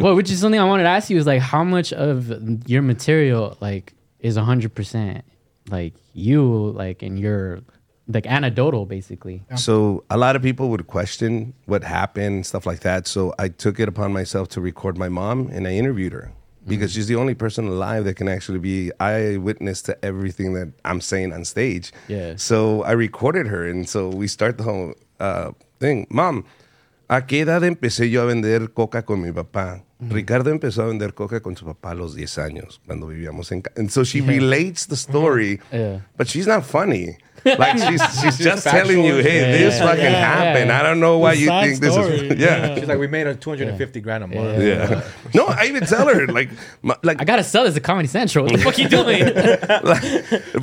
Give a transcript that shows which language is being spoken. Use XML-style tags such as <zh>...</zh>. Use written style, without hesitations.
<en>Well, which is something I wanted to ask you is, like, how much of your material, like, is 100%, like, you, like, and your, like, anecdotal, basically? Yeah. So a lot of people would question what happened, stuff like that. So I took it upon myself to record my mom, and I interviewed her. Because she's the only person alive that can actually be eyewitness to everything that I'm saying on stage. Yeah. So I recorded her. And so we start the whole thing.</en> <es>Mom, ¿a qué edad empecé yo a vender coca con mi papá? Ricardo empezó a vender coca con su papá a los 10 años, cuando vivíamos en...</es> <en>And so she relates the story, but she's not funny. Like, she's just telling you, hey, this fucking happened. Yeah. I don't know why you think this is... Yeah. She's like, we made $250 grand a month. Yeah. No, I even tell her, like... I gotta sell this at Comedy Central. What the fuck are you doing?</en>